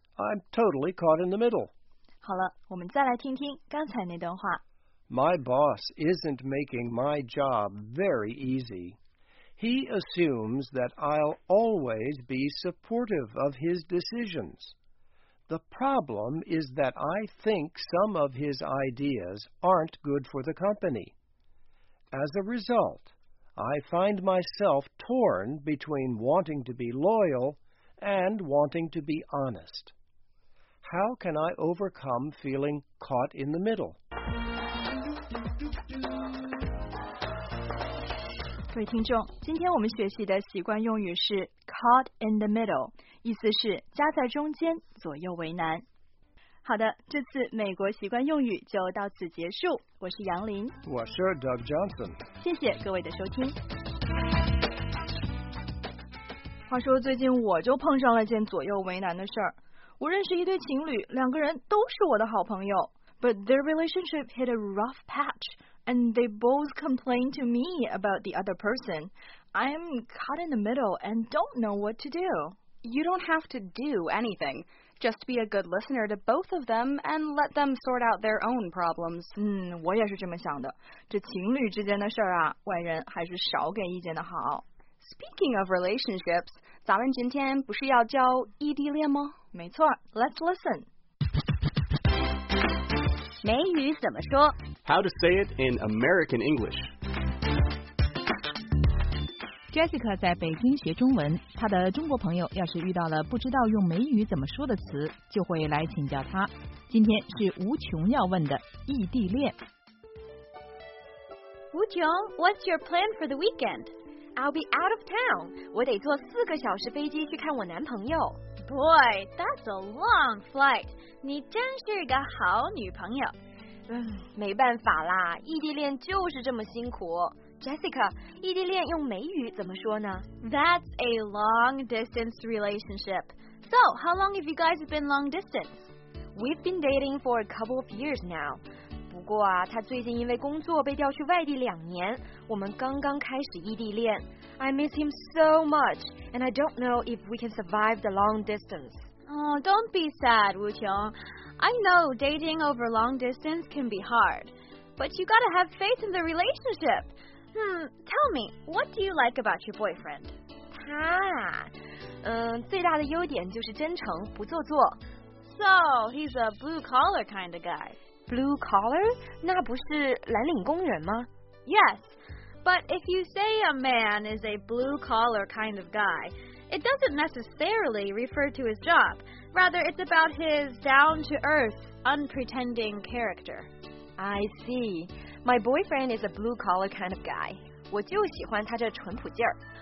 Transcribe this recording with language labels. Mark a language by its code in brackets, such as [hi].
[en] I'm totally caught in the middle. [zh] 好了，我们再来听听刚才那段话。 [en] My boss isn't making my job very easy. He assumes that I'll always be supportive of his decisions. The problem is that I think some of his ideas aren't good for the company. As a result, I find myself torn between wanting to be loyal and wanting to be honest. How can I overcome feeling caught in the middle? [zh] 各位听众，今天我们学习的习惯用语是 [en] caught in the middle， [zh] 意思是夹在中间，左右为难。好的，这次美国习惯用语就到此结束。我是杨林，我是 Doug Johnson，谢谢各位的收听。话说最近我就碰上了件左右为难的事儿。我认识一对情侣，两个人都是我的好朋友， [en] but their relationship hit a rough patch and they both complain to me about the other person. I'm caught in the middle and don't know what to do. You don't have to do anything. Just be a good listener to both of them and let them sort out their own problems. [zh] 我也是这么想的。这情侣之间的事儿啊，外人还是少给意见的好。 [en] Speaking of relationships, [zh] 咱们今天不是要教异地恋吗？没错， [en] let's listen. [zh] 美语怎么说？ [en] How to say it in American English. [zh] Jessica 在北京学中文，她的中国朋友要是遇到了不知道用美语怎么说的词，就会来请教她。今天是吴琼要问的异地恋。 [en] 吴琼， What's your plan for the weekend? I'll be out of town. [zh] 我得坐四个小时飞机去看我男朋友。 [en] Boy, that's a long flight. [zh] 你真是个好女朋友。没办法啦，异地恋就是这么辛苦。 Jessica, 异地恋用美语怎么说呢？ [en] That's a long distance relationship. So, how long have you guys been long distance? We've been dating for a couple of years now. 不过啊，他最近因为工作被调去外地两年，我们刚刚开始异地恋。 I miss him so much, and I don't know if we can survive the long distance. Oh, don't be sad, Wu Qiong. I know dating over long distance can be hard, but you gotta have faith in the relationship. Tell me, what do you like about your boyfriend? [zh] 他啊，最大的优点就是真诚，不做作。 [en] So, he's a blue collar kind of guy. Blue collar? [zh] 那不是蓝领工人吗？ [en] Yes, but if you say a man is a blue-collar kind of guy, it doesn't necessarily refer to his job. Rather, it's about his down-to-earth, unpretending character. I see. My boyfriend is a blue-collar kind of guy. [zh] 我就喜欢他这淳朴劲儿。